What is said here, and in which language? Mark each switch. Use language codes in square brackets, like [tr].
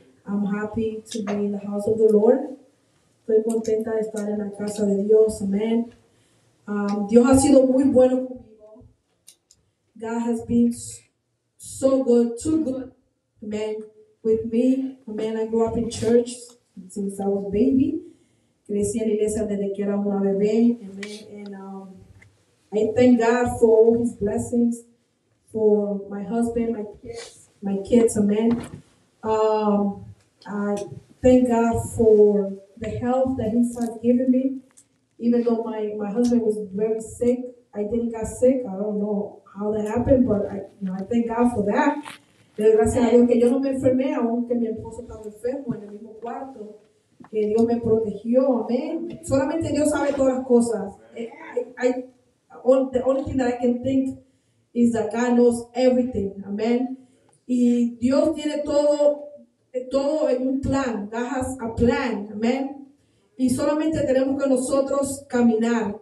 [en] I'm happy to be in the house of the Lord. [es] Estoy contenta de estar en la casa de Dios. Amen. Dios ha sido muy bueno conmigo. [en] God has been so good, too good, amen, with me. Amen. I grew up in church since I was a baby. [es] Crecí en la iglesia desde que era una bebé. [en] Amen. And I thank God for all his blessings, for my husband, my kids. Amen. I thank God for the health that He has given me. Even though my husband was very sick, I didn't get sick. I don't know how that happened, but I thank God for that. [es] Pero gracias a Dios que yo no me enfermé, aunque mi esposo estaba enfermo en el mismo cuarto, que Dios me protegió. Amen. Solamente Dios sabe todas las cosas. [en] The only thing that I can think is that God knows everything. [es] Amen. Y Dios tiene todo. Todo en un plan. [en] God has a plan. [es] Amen. Y solamente tenemos que nosotros caminar.